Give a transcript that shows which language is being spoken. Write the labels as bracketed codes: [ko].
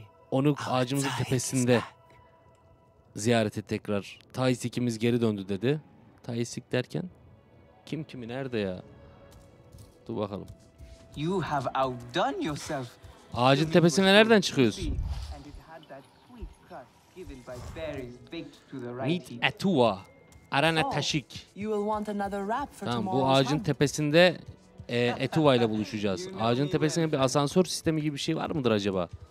[tr] Onu ağacımızın tepesinde ziyaret et tekrar. Taizik'imiz geri döndü dedi. Taizik derken kim kimi nerede ya? Dur bakalım. [en] You have outdone yourself. [tr] Ağacın tepesine nereden çıkıyoruz? [en] Meet Etuva. [tr] Arana Taşik. Tamam, bu ağacın tepesinde Etuva ile buluşacağız. Ağacın tepesinde bir asansör sistemi gibi bir şey var mıdır acaba?